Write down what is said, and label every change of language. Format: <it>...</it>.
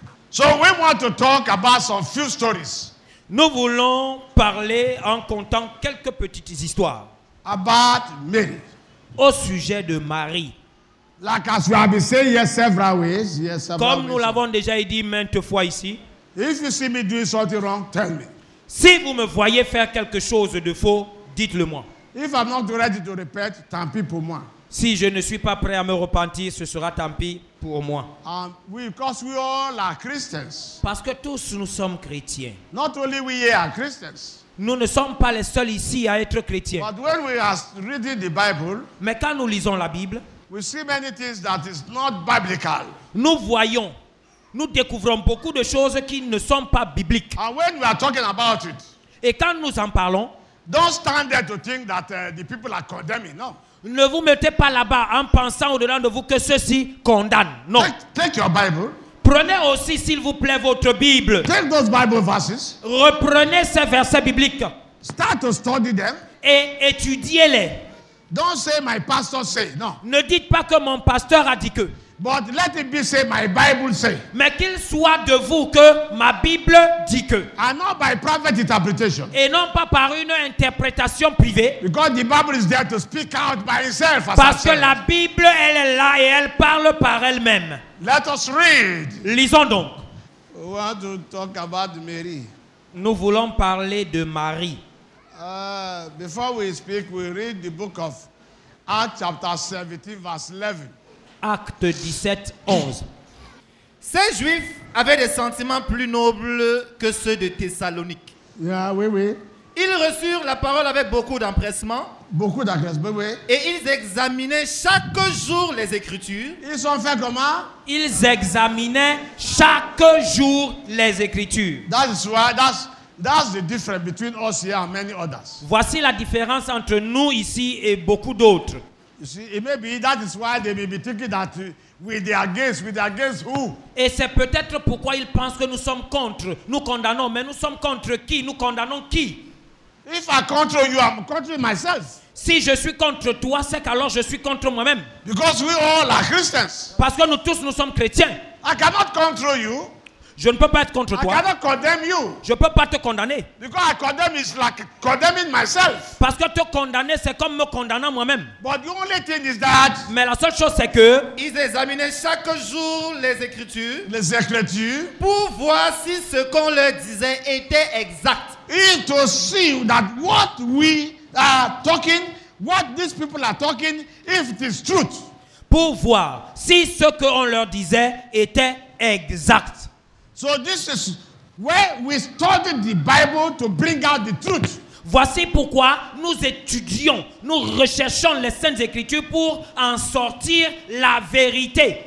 <en>So we want to talk about some few stories.</en> <fr>Nous voulons parler en comptant quelques petites histoires.</fr> <en>About Mary.</en> <fr>Au sujet de Marie.</fr> <en>Like as we have been saying here several ways, yes,</en> <fr>comme nous l'avons déjà dit maintes fois ici.</fr> <en>If you see me doing something wrong, tell me.</en> <fr>Si vous me voyez faire quelque chose de faux, dites-le moi.</fr> <en>If I'm not ready to repent,</en> <fr>tant pis pour moi. Si je ne suis pas prêt à me repentir, ce sera tant pis pour moi.</fr> <en>Because we all are Christians.</en> <fr>Parce que tous nous sommes chrétiens.</fr> <en>Not only we here are Christians.</en> <fr>Nous ne sommes pas les seuls ici à être chrétiens.</fr> <en>But when we are reading the Bible,</en> <fr>mais quand nous lisons la Bible,</fr> <en>we see many things that is not biblical.</en> <fr>Nous voyons, nous découvrons beaucoup de choses qui ne sont pas bibliques.</fr> <en>And when we are talking about it,</en> <fr>et quand nous en parlons,</fr> <en>don't stand there to think that the people are condemning. No.</en> <fr>Ne vous mettez pas là-bas en pensant au-dedans de vous que ceux-ci condamnent. Non.</fr> <en>Take your Bible.</en> <fr>Prenez aussi, s'il vous plaît, votre Bible.</fr> <en>Take those Bible verses.</en> <fr>Reprenez ces versets bibliques.</fr> <en>Start to study them.</en> <fr>Et étudiez-les.</fr> <en>Don't say my pastor say, no.</en> <fr>Ne dites pas que mon pasteur a dit que.</fr> <en>But let it be say my Bible say.</en> <fr>Mais qu'il soit de vous que ma Bible dit que.</fr> <en>And not by private interpretation.</en> <fr>Et non pas par une interprétation privée.</fr> <en>Because the Bible is there to speak out by itself.</en> <fr>Parce que la Bible, elle est là et elle parle par elle-même.</fr> <en>Let us read.</en> <fr>Lisons donc.</fr> <en>We want to talk about Mary.</en> <fr>Nous voulons parler de Marie.</fr> <en>Before we speak, we read the book of Acts chapter 17, verse 11.</en> <fr>Acte 17, 11. Ces Juifs avaient des sentiments plus nobles que ceux de Thessalonique. Ils reçurent la parole avec beaucoup d'empressement. Beaucoup d'empressement, oui. Et ils examinaient chaque jour les Écritures. Ils ont fait comment? Ils examinaient chaque jour les Écritures.</fr> <en>That's the difference between us here and many others.</en> <fr>Voici la différence entre nous ici et beaucoup d'autres.</fr> <en>You see, it may be that is why they may be thinking that with against who?</en> <fr>Et c'est peut-être pourquoi ils pensent que nous sommes contre. Nous condamnons, mais nous sommes contre qui? Nous condamnons qui?</fr> <en>If I control you, I'm contre myself.</en> <fr>Si je suis contre toi, c'est qu'alors je suis contre moi-même.</fr> <en>Because we all are Christians.</en> <fr>Parce que nous tous, nous sommes chrétiens.</fr> <en>I cannot control you.</en> <fr>Je ne peux pas être contre</fr> <en>I</en> <fr>toi.</fr> <en>I cannot condemn you.</en> <fr>Je ne peux pas te condamner.</fr> <en>Because I condemn is like condemning myself.</en> <fr>Parce que te condamner, c'est comme me condamnant moi-même.</fr> <en>But the only thing is that</en> <fr>mais la seule chose, c'est que ils examinaient chaque jour les Écritures. Les Écritures. Pour voir si ce qu'on leur disait était exact.</fr> <en>And to see that what we are talking, what these people are talking, if it is truth.</en> <fr>Pour voir si ce qu'on leur disait était exact.</fr> <en>So this is where we study the Bible to bring out the truth.</en> <fr>Voici pourquoi nous étudions, nous recherchons les Saintes Écritures pour en sortir la vérité.</fr>